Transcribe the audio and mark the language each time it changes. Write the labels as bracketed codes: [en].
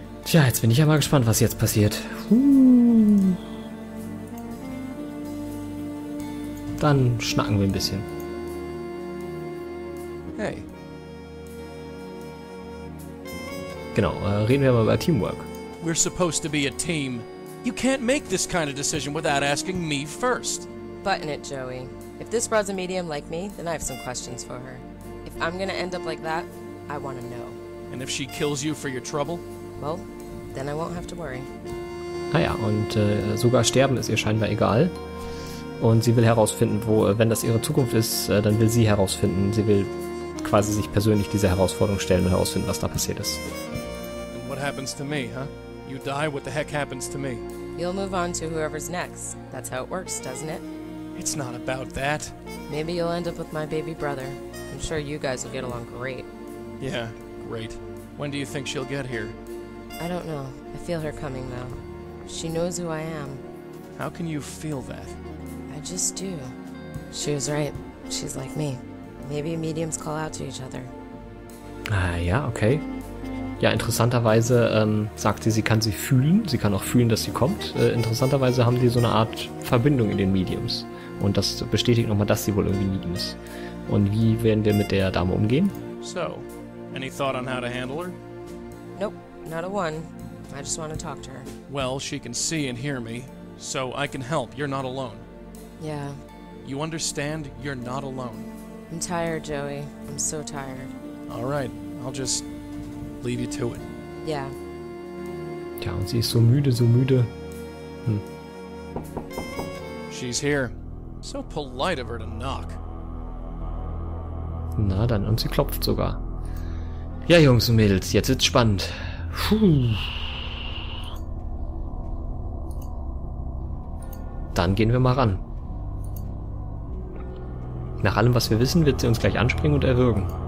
[de] Tja, jetzt bin ich ja mal gespannt, was jetzt passiert. Dann schnacken wir ein bisschen. Hey. Genau, reden wir mal über Teamwork. [en] We're supposed to be a team. You can't make this kind of decision without asking me first. Button it, Joey. If this broad's a medium like me, then I have some questions for her. If I'm gonna end up like that, I want to know. And if she kills you for your trouble? Well, then I won't have to worry. [de] Naja, und sogar sterben ist ihr scheinbar egal. Und sie will herausfinden, wo, wenn das ihre Zukunft ist, dann will sie herausfinden. Sie will quasi sich persönlich dieser Herausforderung stellen und herausfinden, was da passiert ist. [en] And what happens to me, huh? You die, what the heck happens to me? You'll move on to whoever's next. That's how it works, doesn't it? It's not about that. Maybe you'll end up with my baby brother. I'm sure you guys will get along great. Yeah, great. When do you think she'll get here? I don't know. I feel her coming, though. She knows who I am. How can you feel that? I just do. She was right. She's like me. Maybe mediums call out to each other. [de] Ja, okay. Ja, interessanterweise sagt sie, sie kann sie fühlen. Sie kann auch fühlen, dass sie kommt. Interessanterweise haben die so eine Art Verbindung in den Mediums. Und das bestätigt nochmal, dass sie wohl irgendwie Medium ist. Und wie werden wir mit der Dame umgehen? [en] So, any thought on how to handle her? Nope, not a one. I just want to talk to her. Well, she can see and hear me, so I can help. You're not alone. Yeah. You understand? You're not alone. I'm tired, Joey. I'm so tired. All right, I'll just leave you to it. Yeah. [de] Ja, und sie ist so müde, so müde. [en] She's here. So polite of her to knock. [de] Na dann, und sie klopft sogar. Ja, Jungs und Mädels, jetzt wird's spannend. Puh. Dann gehen wir mal ran. Nach allem, was wir wissen, wird sie uns gleich anspringen und erwürgen.